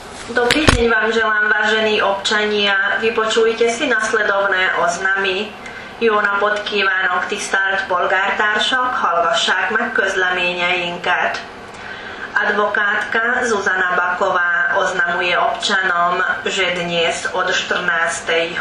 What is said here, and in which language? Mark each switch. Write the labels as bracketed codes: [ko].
[sk] Dobrý deň vám želám, vážení občania. Vypočujte si nasledovné oznamy. [hu] Jó napot kívánok, tisztelt polgártársak, hallgassák meg közleményeinket. [sk] Advokátka Zuzana Baková oznamuje občanom, že dnes od 14.